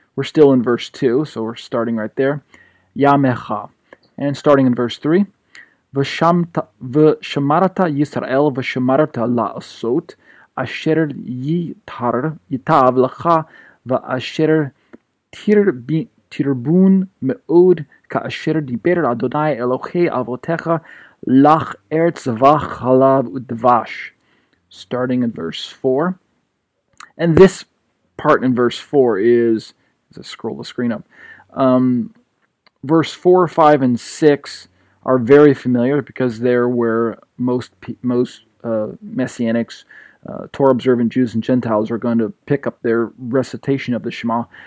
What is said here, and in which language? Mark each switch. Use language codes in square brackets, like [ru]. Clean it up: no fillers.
[en] We're still in verse 2, so we're starting right there. Yamecha. And starting in verse 3. [he] V'shamarata Yisrael v'shamarata la'asot אשר ייטב לך ואשר תרבון מאוד כאשר דיבר אדוני אלוהי אבותיך לך ארץ זבח חלב ודבש. [en] Starting in verse 4. And this part in verse 4 is, let's scroll the screen up. Verse 4, 5, and 6 are very familiar, because they're where most Messianics, Torah observant Jews and Gentiles, are going to pick up their recitation of the Shema.